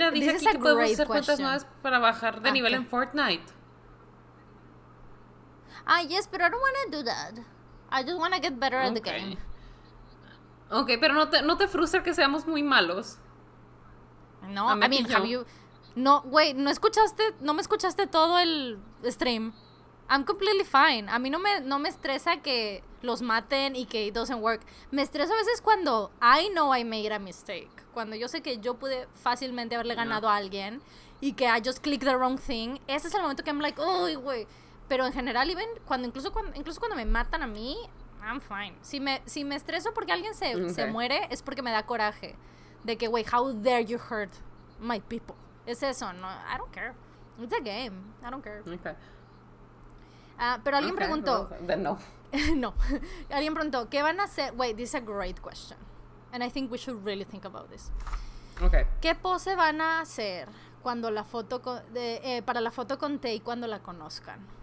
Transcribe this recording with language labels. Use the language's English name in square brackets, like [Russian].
[Spanish] Ah, mira, dice aquí que podemos hacer cuentas nuevas para bajar de nivel en Fortnite. [English] Ah, yes, [Spanish] pero [English] I don't wanna do that. I just wanna get better at the game. [Spanish] Ok, pero no te frustra que seamos muy malos. [English] No, I mean, have you... [Spanish] No, güey, no me escuchaste todo el stream. [English] I'm completely fine. [Spanish] A mí no me estresa que los maten y que [English] it doesn't work. [Spanish] Me estresa a veces cuando [English] I know I made a mistake. [Spanish] Cuando yo sé que yo pude fácilmente haberle ganado a alguien y que [English] I just clicked the wrong thing. [Spanish] Ese es el momento que [English] I'm like, [Spanish] uy, güey. Pero en general, [English] even [Spanish] cuando me matan a mí, I'm fine. Si me estreso porque alguien se muere, es porque me da coraje. De que, güey, [English] how dare you hurt my people. [Spanish] Es eso, no, [English] I don't care. It's a game, I don't care. Okay. [Spanish] Pero alguien preguntó. [English] Then no. [Spanish] No. Alguien preguntó, ¿qué van a hacer? [English] Wait, this is a great question. And I think we should really think about this. Okay. [Spanish] ¿Qué pose van a hacer cuando la foto para la foto con Tay cuando la conozcan?